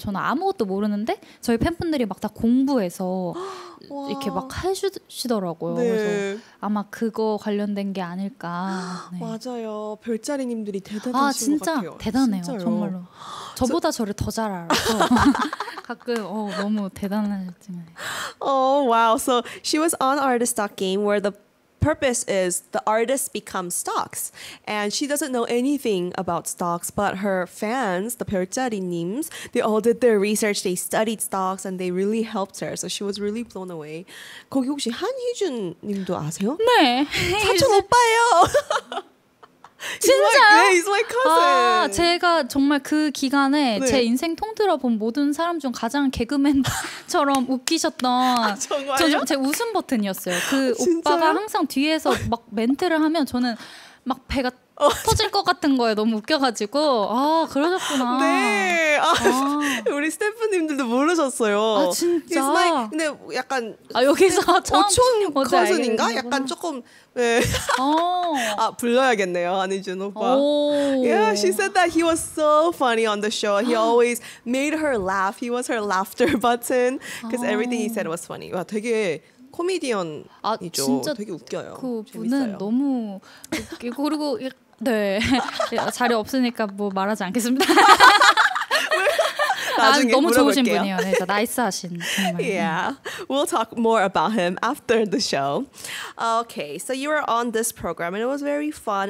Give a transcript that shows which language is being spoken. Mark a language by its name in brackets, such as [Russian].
[Korean] 저는 아무것도 모르는데 저희 팬분들이 막 다 공부해서 이렇게 막 해주시더라고요. 네. 그래서 아마 그거 관련된 게 아닐까. 네. 맞아요. 별자리님들이 대단하신 것 같아요. 아 진짜 대단해요. 진짜요? 정말로. 저보다 저... 저를 더 잘 알아. 가끔 어, 너무 대단하셨지만. [English] Oh wow. So she was on Artistock Game where the purpose is the artist becomes stocks. And she doesn't know anything about stocks, but her fans, the 별자리님s, they all did their research, they studied stocks, and they really helped her. So she was really blown away. [Korean] 거기 혹시 한희준님도 아세요? 네. 사촌 오빠예요. 진짜? [English] He's my cousin. 아, [Korean] 제가 정말 그 기간에 네. 제 인생 통틀어 본 모든 사람 중 가장 개그맨처럼 웃기셨던 아, 정말요? 저, 제 웃음 버튼이었어요. 그 오빠가 항상 뒤에서 막 멘트를 하면 저는 막 배가 터질 것 같은 거예요. 너무 웃겨가지고 아 그러셨구나. 네. 아, 아. 우리 스태프님들도 모르셨어요. 아 진짜. My, 근데 약간 아 여기서 오촌 커슨인가? 약간 조금 네. 아 불러야겠네요. 한희준 오빠. 오. [English] Yeah, she said that he was so funny on the show. He always made her laugh. He was her laughter button. Because everything he said was funny. [Korean] 와 되게 코미디언이죠. 아, 진짜 되게 웃겨요. 그 분은 너무 웃기고 그리고 네 자리 없으니까 뭐 말하지 않겠습니다. 나중에 너무 물어볼게요. 좋으신 분이에요. 네, 진짜 나이스하신 정말. [English] Yeah, we'll talk more about him after the show. Okay, so you were on this program and it was very fun.